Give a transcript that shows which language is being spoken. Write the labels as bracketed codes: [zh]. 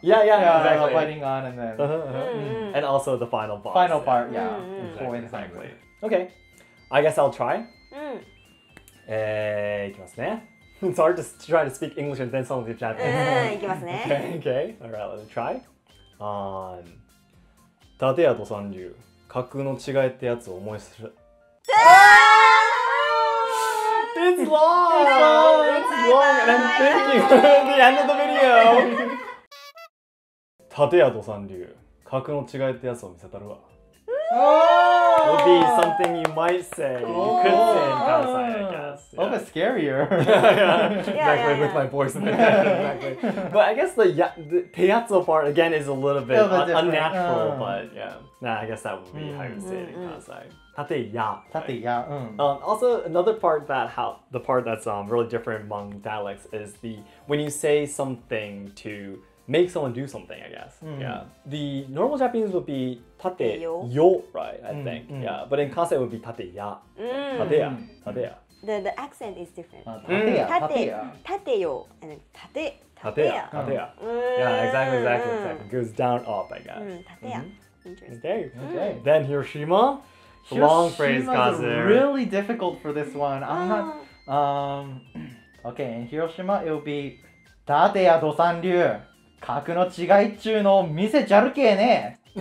[en] Yeah, exactly. Fighting on, and then... And also the final boss. Final part, yeah. Exactly. Okay. I guess I'll try. It's hard to try to speak English and then some of the Japanese. Okay, all right, let me try. [ja] 立てよド三流、格の違いってやつを思い出す。 [en] It's long! It's long! And I'm thinking for the end of the video! [ja] 立てよド三流、格の違いってやつを見せたるわ。 [en] Would be something you might say. You could say in Kansai, I guess. Yeah. Oh, but scarier. Exactly, with my voice in the head. But I guess the teyatsu part, again, is a little bit unnatural, but yeah. Nah, I guess that would be how you would say it in Kansai. [ja] Tateya. Tateya. [en] Also, another part that's really different among dialects is the when you say something to make someone do something, I guess. Yeah. The normal Japanese would be tate yo, right, I think. Yeah. But in Kansai it would be tate ya. [ja] Tateya. Tateya. [en] The accent is different. [ja] Tateya. Tateya. [en] Tateya. Yeah, exactly. It goes down up, I guess. [ja] Tateya. [en] Interesting. Okay. Then Hiroshima. Long phrase, Kazu. It's really difficult for this one. I'm not okay, in Hiroshima it would be [ja] tateya do san ryu. 格の違いっちゅうのを見せちゃるけえね